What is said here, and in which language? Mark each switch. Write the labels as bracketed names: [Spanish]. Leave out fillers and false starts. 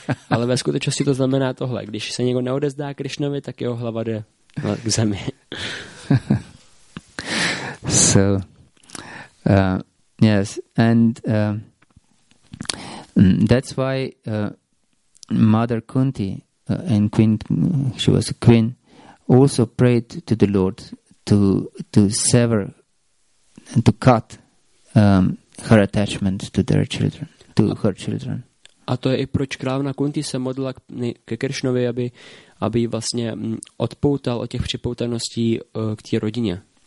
[Czech] Ale ve skutečnosti to znamená tohle. Když se někdo neodezdá Krishnovi, tak jeho hlava jde k zemi. [English] So yes, and that's why Mother Kunti and Queen, she was a queen, also prayed to the Lord to sever and to cut her attachment to their children, to her children. [Czech] A to je i proč královna Kunti se modlila ke Krišnovi, aby vlastně odpoutal od těch připoutaností k té rodině.